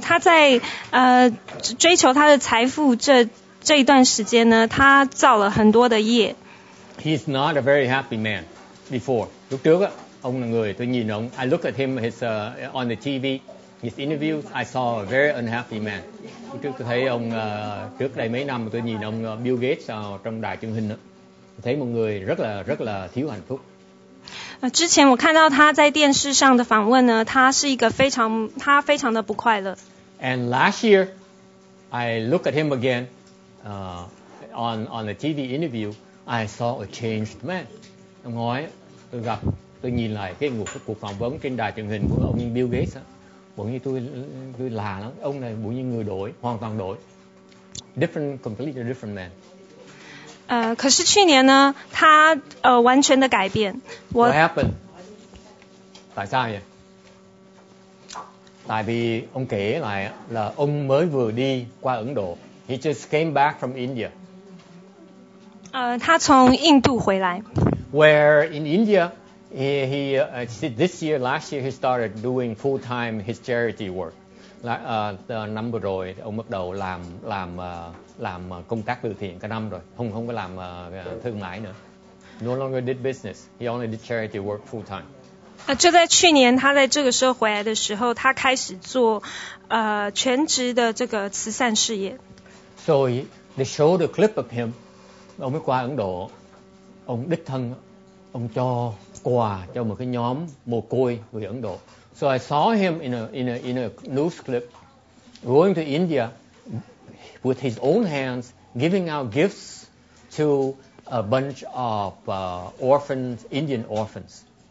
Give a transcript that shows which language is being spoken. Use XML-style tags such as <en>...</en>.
<zh>他在追求他的财富这一段时间呢，他造了很多的业。</zh> <en>He's not a very happy man before.</en> <vi>Lúc trước, ông là người, tôi nhìn ông,</vi> <en>I look at him his, on the TV, his interviews, I saw a very unhappy man.</en> <vi>Lúc trước tôi thấy ông, trước đây mấy năm tôi nhìn ông Bill Gates trong đài truyền hình, tôi thấy một người rất là thiếu hạnh phúc.</vi> <zh>之前我看到他在电视上的访问呢，他是一个非常的不快乐。</zh> <en>And last year, I look at him again,on the TV interview, I saw a changed man.</en> <vi>Năm ngoái, tôi nhìn lại cái cuộc phỏng vấn trên đài truyền hình của ông Bill Gates. Bỗng nhiên tôi lạ lắm. Ông này bỗng nhiên người đổi, hoàn toàn đổi.</vi> <en>Different, completely different man.</en> <zh>可是去年呢，他完全的改变。</zh> <en>What happened?</en> <zh>在上面。</zh> <vi>Tại vì ông kể lại là ông mới vừa đi qua Ấn Độ.</vi> <en>He just came back from India.</en> <zh>他从印度回来。</zh> <en>Where in India, he this year, last year, he started doing full-time his charity work.</en> <vi>Năm vừa rồi, ông bắt đầu làm công tác từ thiện cả năm rồi. Không có làm thương mại nữa.</vi> <en>No longer did business. He only did charity work full-time.</en> <zh>就在去年他在这个时候回来的时候，他开始做全职的这个慈善事业。</zh> <en>So they showed a clip of him.</en> <vi>Ông mới qua Ấn Độ, ông đích thân, ông cho quà cho một cái nhóm mồ côi người Ấn Độ.</vi> <en>So I saw him in a news clip going to India with his own hands giving out gifts to a bunch of orphans, Indian orphans.</en>